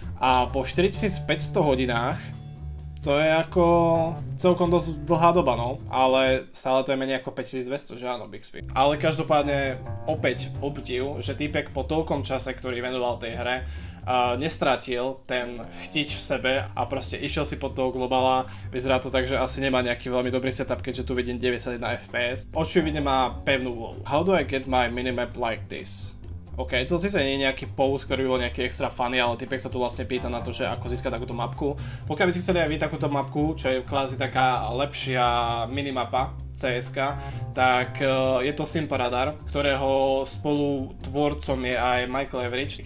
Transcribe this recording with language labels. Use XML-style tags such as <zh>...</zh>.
<sk>A po 4500 hodinách, to je ako celkom dosť dlhá doba, no, ale stále to je menej ako 5200, že áno, Bixby. Ale každopádne opäť obdiv, že týpek po toľkom čase, ktorý venoval tej hre, nestratil ten chtič v sebe a proste išiel si pod toho globala. Vyzerá to tak, že asi nemá nejaký veľmi dobrý setup, keďže tu vidím 91 FPS. Očividne má pevnú wall.</sk> <en>How do I get my minimap like this?</en> <sk>OK, to zase nie je nejaký post, ktorý by bol nejaký extra funny, ale typek sa tu vlastne pýta na to, že ako získať takúto mapku. Pokiaľ by ste chceli aj vy takúto mapku, čo je kvázi taká lepšia minimapa, CS-ka, tak je to Simparadar, ktorého spolu tvorcom je aj Michael Average.</sk>